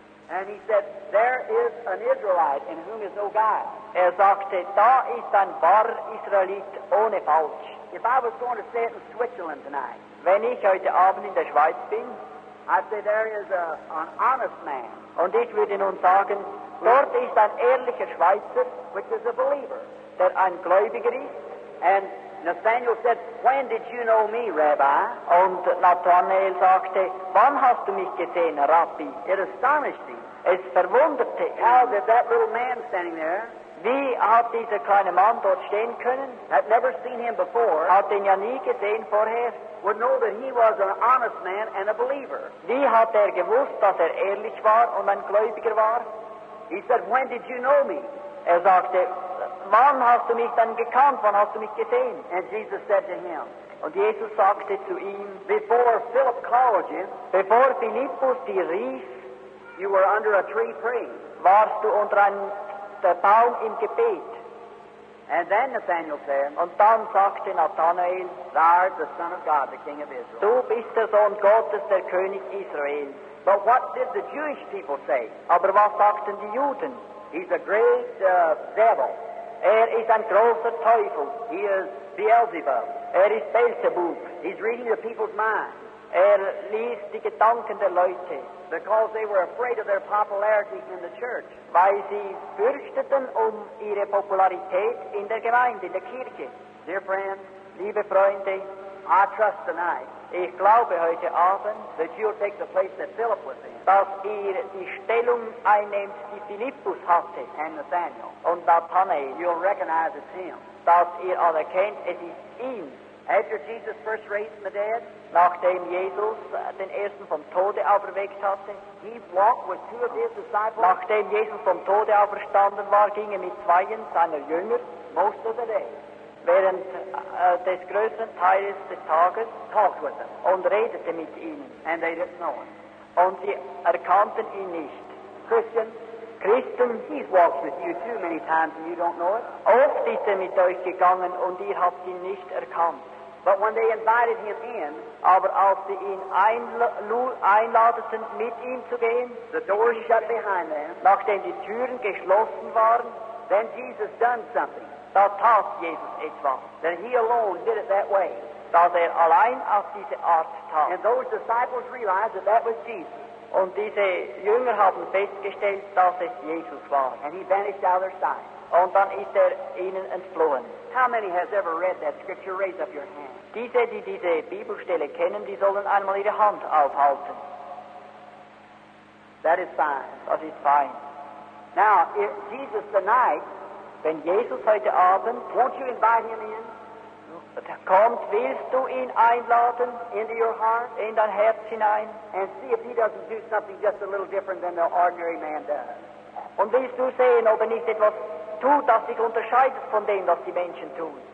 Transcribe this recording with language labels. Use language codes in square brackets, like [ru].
[en] And he said, there is an Israelite in whom is no God. [de] Sagte, da ist ein wahrer Israelit ohne Falsch. [en] If I was going to say it in Switzerland tonight, [de] wenn ich heute Abend in der Schweiz bin, [en] I'd say there is an honest man. [de] Und ich würde nun sagen, dort ist ein ehrlicher Schweizer, [en] which is a believer, [de] der ein Gläubiger ist. [en] And Nathanael said, when did you know me, Rabbi? [de] Und Nathanael sagte, wann hast du mich gesehen, Rabbi? [en] It astonished him. [de] Es verwunderte ihn. [en] How did that little man standing there, [de] wie hat dieser kleine Mann dort stehen können? [en] Had never seen him before. [de] Hat ihn ja nie gesehen vorher. [en] Would know that he was an honest man and a believer. [de] Wie hat gewusst, dass ehrlich war und ein Gläubiger war? [en] He said, when did you know me? [de] Sagte, wann hast du mich dann gekannt? Wann hast du mich gesehen? [en] And Jesus said to him, [de] und Jesus sagte zu ihm, [en] before Philip called you, [de] bevor Philippus dir rief, [en] you were under a tree praying. [de] Warst du unter einem der Baum im Gebet. [en] And then Nathanael said, [de] und dann sagte Nathanael, [en] thou art the Son of God, the King of Israel. [de] Du bist der Sohn Gottes, der König Israel. [en] But what did the Jewish people say? [de] Aber was sagten die Juden? [en] He's a great devil. [de] Ist ein großer Teufel. [en] He is Beelzebub. [de] Ist Beelzebub. [en] He's reading the people's minds. [de] Liest die Gedanken der Leute. [en] Because they were afraid of their popularity in the church. [de] Weil sie fürchteten ihre Popularität in der Gemeinde, in der Kirche. [en] Dear friends, [de] liebe Freunde, [en] I trust tonight, [de] ich glaube heute Abend, [en] that you'll take the place that Philip was in, [de] dass die Stellung einnimmt, die Philippus hatte, [en] and Nathanael, [de] und Nathanael. [en] You'll recognize it's him. [de] Dass anerkennt, es ist ihn. [en] After Jesus first raised from the dead, [de] nachdem Jesus den ersten vom Tode auferweckt hatte, [en] he walked with two of his disciples. [de] Nachdem Jesus vom Tode auferstanden war, ging mit zweien seiner Jünger [en] most of the day, [de] während des größten Teils des Tages, [en] talked with them [de] und redete mit ihnen. [en] And they didn't know him. [de] Und sie erkannten ihn nicht. [en] Christian, he's walked with you too many times and you don't know it. [de] Oft ist mit euch gegangen und ihr habt ihn nicht erkannt. [en] But when they invited him in, [de] aber als sie ihn einladeten, mit ihm zu gehen, [en] the doors shut behind them, [de] nachdem die Türen geschlossen waren, [en] then Jesus done something. [de] Da tat Jesus etwas. [en] That he alone did it that way. [de] Dass allein auf diese Art tat. [en] And those disciples realized that that was Jesus. [de] Und diese Jünger haben festgestellt, dass es Jesus war. [en] And he vanished out of their sight. [de] Und dann ist ihnen entflohen. [en] How many has ever read that scripture? Raise up your hand. [de] Diese, die diese Bibelstelle kennen, die sollen einmal ihre Hand aufhalten. [en] That is fine. [de] Das ist fein. [en] Now, if Jesus tonight, [de] wenn Jesus heute Abend, [en] won't you invite him in? [de] Kommt, willst du ihn einladen? [en] Into your heart? [de] In dein Herz hinein? [en] And see if he doesn't do something just a little different than the ordinary man does. [de] Und willst du sehen, ob er nicht etwas tut, das sich unterscheidet von dem, was die Menschen tun?